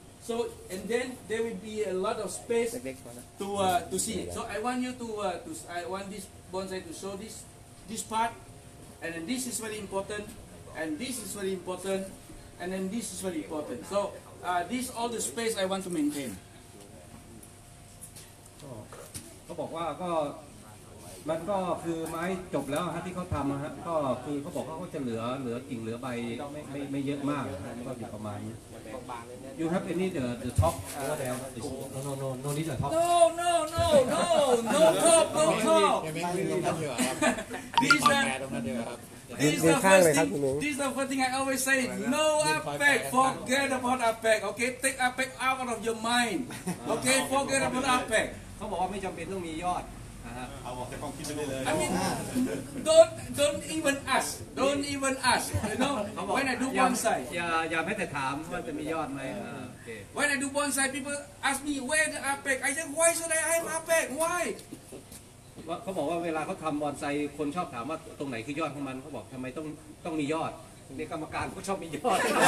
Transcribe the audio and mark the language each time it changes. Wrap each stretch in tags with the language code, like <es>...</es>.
<en>So and then there will be a lot of space to see it. So I want you to this bonsai to show this part, and then this is very important, and this is very important, and then this is very important. So this all the space I want to maintain.</en> <th>ขาบอกว่าก็มันก็คือไม้จบแล้วฮะที่เขาทำฮะก็คือเขาบอกเขาก็จะเหลือกิ่งเหลือใบไม่เยอะมากก็อยู่ประมาณนี้</th> <en>You have any the top over there no this the top This is the first thing I always say. No apex, forget about apex. Okay, take apex out of your mind. Okay, forget about apex.</en> <th>เขาบอกว่าไม่จำเป็นต้องมียอด เอาออกแต่ความคิดไปเลย</th> <en>I mean don't even ask you know when I do bonsai</en> <th>อย่าแม้แต่ถามว่าจะมียอดไหม</th> <en>when I do bonsai people ask me where the apex I just why should I have apex why</en> <th>ว่าเขาบอกว่าเวลาเขาทำบอนไซคนชอบถามว่าตรงไหนคือยอดของมันเขาบอกทำไมต้องมียอดนี่กรรมการเขาชอบมียอด</th>